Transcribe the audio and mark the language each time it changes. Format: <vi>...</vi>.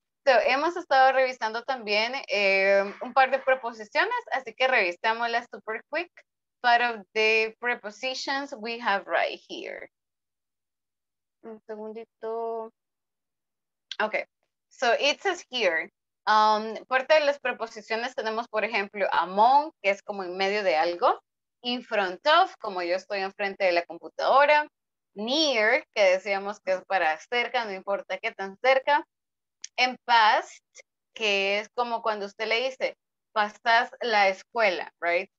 <es>So, hemos estado revisando también un par de preposiciones, así que revisémoslas</es> <en>super quick. Part of the prepositions we have right here.</en> <es>Un segundito.</es> <en>Okay, so it says here,</en> <es>parte de las preposiciones tenemos, por ejemplo, among, que es como en medio de algo, in front of, como yo estoy enfrente de la computadora, near, que decíamos que es para cerca, no importa qué tan cerca, en past, que es como cuando usted le dice, pasas la escuela,</es> <en>right?</en>